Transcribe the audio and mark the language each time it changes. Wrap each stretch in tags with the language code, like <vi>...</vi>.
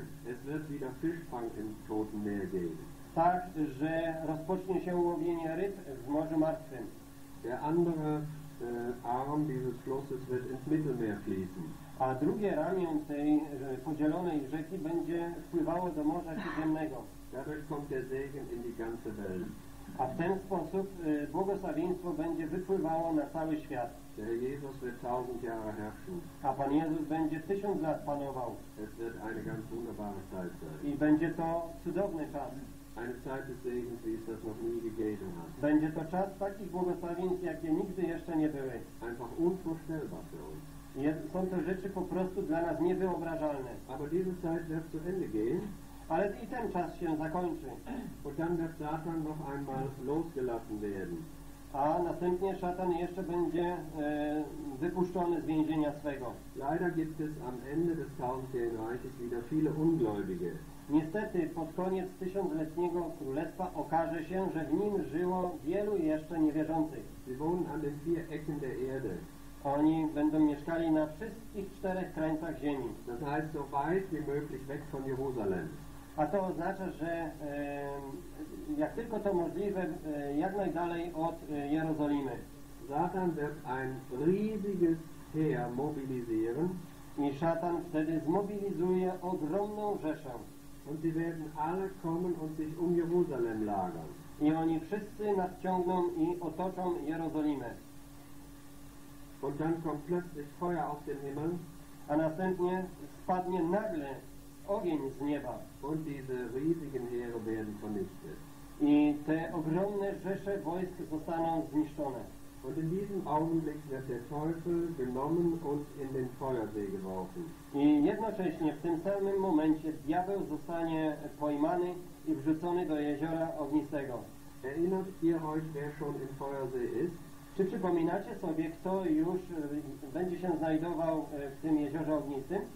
<de>Es wird wieder Fischfang im Toten Meer gehen.</de> <pl>Tak, że rozpocznie się łowienie ryb w Morzu Martwym.</pl> <de>Der andere arm dieses Flusses wird ins Mittelmeer fließen.</de> <pl>A drugie ramię tej podzielonej rzeki będzie wpływało do Morza Śródziemnego.</pl> <de>Dadurch kommt der Segen in die ganze Welt.</de> <pl>A w ten sposób błogosławieństwo będzie wypływało na cały świat.</pl> <de>Der Jesus wird 1000 Jahre herrschen.</de> <pl>A Pan Jezus będzie 1000 lat panował.</pl> <de>Es wird eine ganz wunderbare Zeit sein.</de> <pl>I będzie to cudowny czas.</pl> <de>Eine Zeit des Segens, wie es das noch nie gegeben hat.</de> <pl>Będzie to czas takich błogosławieństw, jakie nigdy jeszcze nie były.</pl> <de>Einfach unvorstellbar für uns.</de> <pl>Są to rzeczy po prostu dla nas niewyobrażalne.</pl> <de>Aber diese Zeit wird zu Ende gehen.</de> <pl>Ale i ten czas się zakończy.</pl> <de>Und dann wird Satan noch einmal losgelassen werden.</de> <pl>A następnie szatan jeszcze będzie wypuszczony z więzienia swego.</pl> <de>Leider gibt es am Ende des tausendjährigen Reiches wieder viele Ungläubige.</de> <pl>Niestety, pod koniec tysiącletniego królestwa okaże się, że w nim żyło wielu jeszcze niewierzących.</pl> <de>Sie wohnen an den vier Ecken der Erde.</de> <pl>Oni będą mieszkali na wszystkich czterech krańcach ziemi.</pl> <de>Das heißt, so weit wie möglich weg von Jerusalem.</de> <pl>A to oznacza, że jak tylko to możliwe, jak najdalej od Jerozolimy.</pl> <de>Satan wird ein riesiges Heer mobilisieren.</de> <pl>I szatan wtedy zmobilizuje ogromną rzeszę.</pl> <de>Und sie werden alle kommen und sich um Jerusalem lagern.</de> <pl>I oni wszyscy nadciągną i otoczą Jerozolimę.</pl> <de>Und dann kommt plötzlich Feuer auf den Himmel.</de> <pl>A następnie spadnie nagle ogień z nieba.</pl> <de>Und diese riesigen Heere werden vernichtet.</de> <pl>I te ogromne rzesze wojsk zostaną zniszczone.</pl> <de>Und in diesem Augenblick wird der Teufel genommen und in den Feuersee geworfen.</de> <pl>I jednocześnie w tym samym momencie diabeł zostanie pojmany i wrzucony do jeziora ognistego.</pl> <de>Erinnert ihr euch, wer schon im Feuersee ist?</de> <pl>Czy przypominacie sobie, kto już będzie się znajdował w tym jeziorze ognistym?</pl>